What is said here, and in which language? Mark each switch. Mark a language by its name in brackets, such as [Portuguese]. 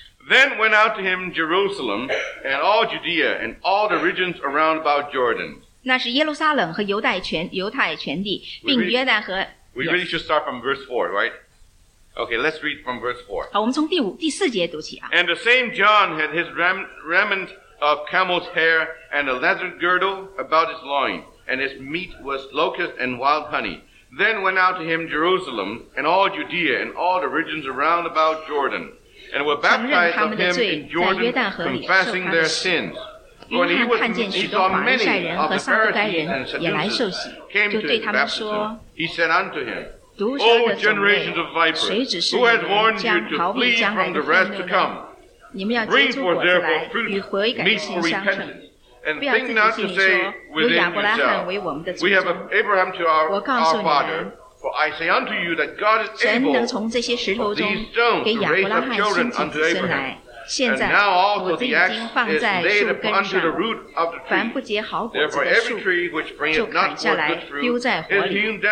[English] Then went out to him Jerusalem and all Judea and all the regions around about Jordan. [Chinese] 那是耶路撒冷和犹太全地, 并约旦河, [English] we really should start from verse 4, right? Okay, let's read from verse 4. [Chinese] 好,我们从第四节读起啊。 [English] And the same John had his raiment of camel's hair and a leather girdle about his loin. And his meat was locust and wild honey. Then went out to him Jerusalem and all Judea and all the regions around about Jordan, and were baptized of him in Jordan, confessing their sins. When he saw many of the Pharisees and Sadducees came to his baptism, he said unto him, O generations of vipers, who has warned you to flee from the wrath to come? Bring forth therefore fruit meet for repentance. And think not to say within yourself, we have Abraham to our father, for I say unto you that God is able from these stones to raise up children unto Abraham. [Chinese] 现在我自己已经放在树根上，凡不结好果子的树就砍下来丢在火里。